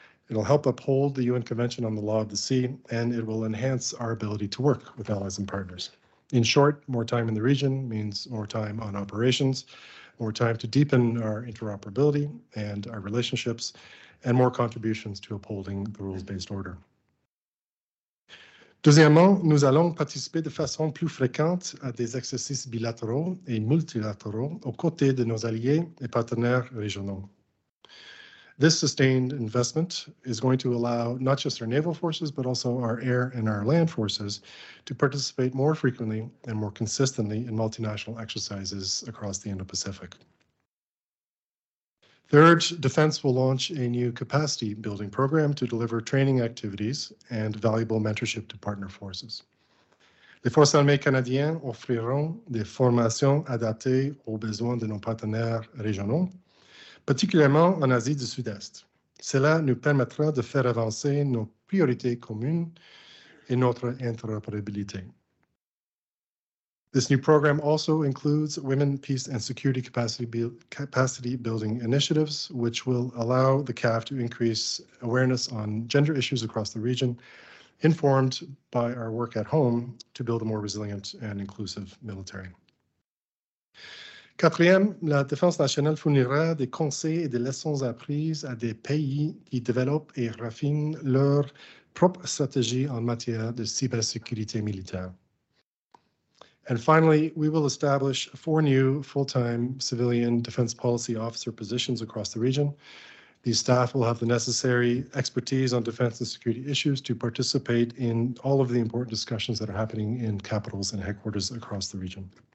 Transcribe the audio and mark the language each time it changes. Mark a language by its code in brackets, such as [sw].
[en] It'll help uphold the UN Convention on the Law of the Sea, and it will enhance our ability to work with allies and partners. In short, more time in the region means more time on operations, more time to deepen our interoperability and our relationships, and more contributions to upholding the rules-based order. [fr] Deuxièmement, nous allons participer de façon plus fréquente à des exercices bilatéraux et multilatéraux aux côtés de nos alliés et partenaires régionaux. [en] This sustained investment is going to allow not just our naval forces, but also our air and our land forces to participate more frequently and more consistently in multinational exercises across the Indo-Pacific. Third, Defense will launch a new capacity building program to deliver training activities and valuable mentorship to partner forces. [fr] Les Forces armées canadiennes offriront des formations adaptées aux besoins de nos partenaires régionaux, particulièrement en Asie du Sud-Est. Cela nous permettra de faire avancer nos priorités communes et notre interopérabilité. [en] This new program also includes women, peace, and security capacity building initiatives, which will allow the CAF to increase awareness on gender issues across the region, informed by our work at home to build a more resilient and inclusive military. [fr] Quatrième, la Défense nationale fournira des conseils et des leçons apprises à des pays qui développent et raffinent leur propre stratégie en matière de cybersécurité militaire. [en] And finally, we will establish four new full-time civilian defense policy officer positions across the region. These staff will have the necessary expertise on defense and security issues to participate in all of the important discussions that are happening in capitals and headquarters across the region.